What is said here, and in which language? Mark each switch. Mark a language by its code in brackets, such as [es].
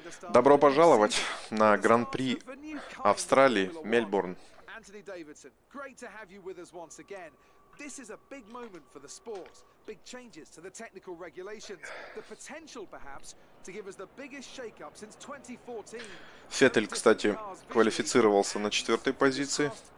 [ru] Добро пожаловать на Гран-при Австралии, Мельбурн. [en] Anthony Davidson, great to have you with us once again. This is a big moment for the sport. Big changes to the technical regulations. The potential, perhaps, to give us the biggest shake-up since 2014. [ru] Феттель, кстати, квалифицировался на четвертой позиции.